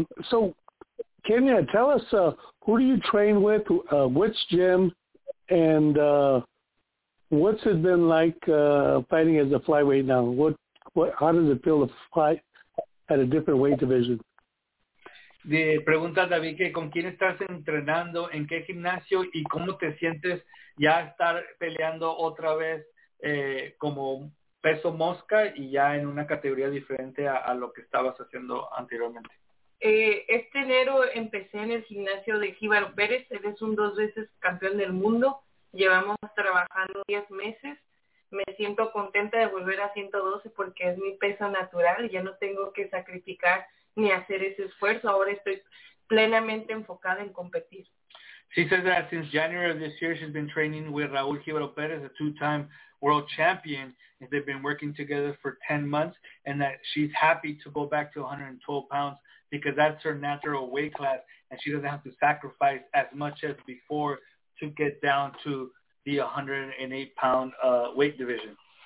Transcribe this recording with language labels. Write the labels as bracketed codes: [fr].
[en] So, Kenia, tell us, who do you train with, which gym, and what's it been like fighting as a flyweight now? How does it feel to fight at a different weight division? [es] De pregunta David, que con quién estás entrenando, en qué gimnasio, y cómo te sientes ya estar peleando otra vez como peso mosca y ya en una categoría diferente a lo que estabas haciendo anteriormente. Este enero empecé en el gimnasio de Jíbaro Pérez. Él es un 2 veces campeón del mundo. Llevamos trabajando 10 meses. Me siento contenta de volver a 112 porque es mi peso natural. Ya no tengo que sacrificar ni hacer ese esfuerzo. Ahora estoy plenamente enfocada en competir. [en] She says that since January of this year, she's been training with Raúl Jíbaro Pérez, a 2-time world champion. They've been working together for 10 months and that she's happy to go back to 112 pounds because that's her natural weight class and she doesn't have to sacrifice as much as before to get down to the 108-pound weight division.